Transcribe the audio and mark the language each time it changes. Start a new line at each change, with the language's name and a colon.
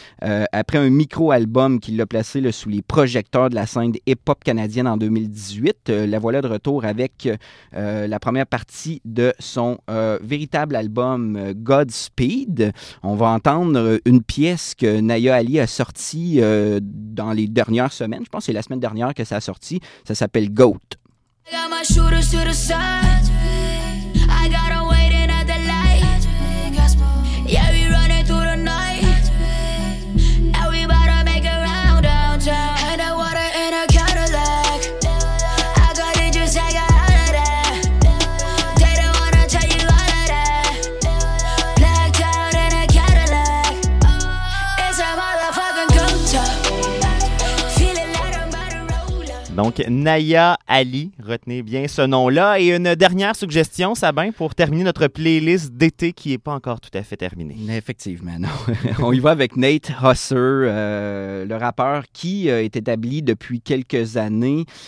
French: Après un micro-album qu'il a placé là, sous les projecteurs de la scène hip-hop canadienne en 2018, la voilà de retour avec la première partie de son véritable album Godspeed. On va entendre une pièce que Naya Ali a sortie dans les dernières semaines. Je pense que c'est la semaine dernière que ça a sorti. Ça s'appelle Goat.
English: I got my shooters to the side. I got 'em waiting at the light. Yeah, we running through the night. Now we 'bout to make a round downtown. And I want it in a Cadillac. I got it just like a Cadillac. They don't wanna tell you all of that. Blacked out in a Cadillac. It's a motherfucking come top. Feeling like I'm about to roll up.
French: Donc Naya Ali, retenez bien ce nom-là. Et une dernière suggestion, Sabin, pour terminer notre playlist d'été qui n'est pas encore tout à fait terminée. Effectivement, non. On y va avec Nate Husser, le rappeur qui est établi depuis quelques années.